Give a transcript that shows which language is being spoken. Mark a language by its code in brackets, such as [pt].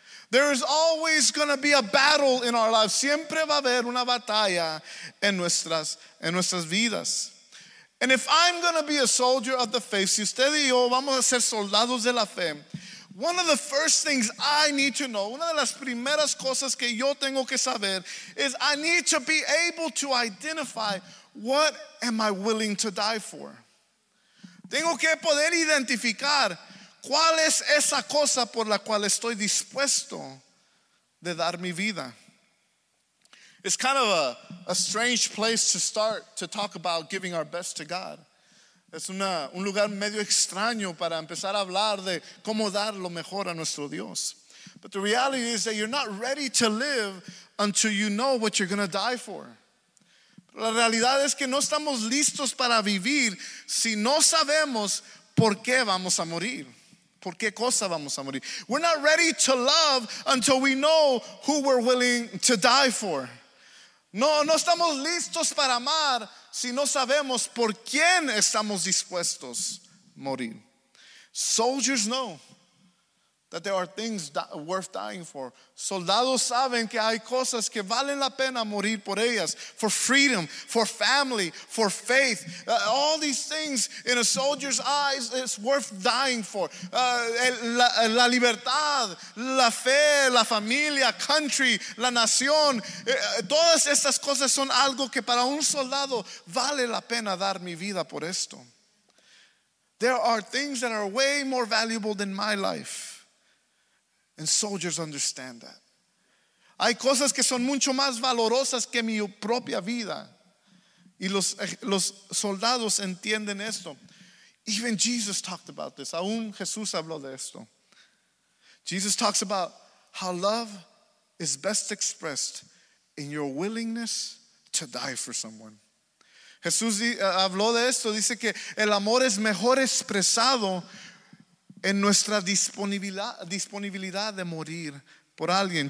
[en] There is always going to be a battle in our lives. [es] Siempre va a haber una batalla en nuestras vidas. [en] And if I'm going to be a soldier of the faith, [es] si usted y yo vamos a ser soldados de la fe, [en] one of the first things I need to know, [es] una de las primeras cosas que yo tengo que saber, [en] is I need to be able to identify what am I willing to die for. [es] Tengo que poder identificar cuál es esa cosa por la cual estoy dispuesto de dar mi vida. [en] It's kind of a strange place to start to talk about giving our best to God. [es] Es un lugar medio extraño para empezar a hablar de cómo dar lo mejor a nuestro Dios. [en] But the reality is that you're not ready to live until you know what you're going to die for. [es] La realidad es que no estamos listos para vivir si no sabemos por qué vamos a morir, por qué cosa vamos a morir. [en] We're not ready to love until we know who we're willing to die for. [es] No estamos listos para amar si no sabemos por quién estamos dispuestos a morir. [en] Soldiers know That there are things worth dying for. [es] Soldados saben que hay cosas que valen la pena morir por ellas. [en] For freedom, for family, for faith. All these things in a soldier's eyes is worth dying for. [es] La libertad, la fe, la familia, [en] country, [es] la nación. Todas estas cosas son algo que para un soldado vale la pena dar mi vida por esto. [en] There are things that are way more valuable than my life. And soldiers understand that. [es] Hay cosas que son mucho más valorosas que mi propia vida. Y los soldados entienden esto. [en] Even Jesus talked about this. [es] Aún Jesús habló de esto. [en] Jesus talks about how love is best expressed in your willingness to die for someone. [es] Jesús habló de esto. Dice que el amor es mejor expresado en nuestra disponibilidad de morir por alguien.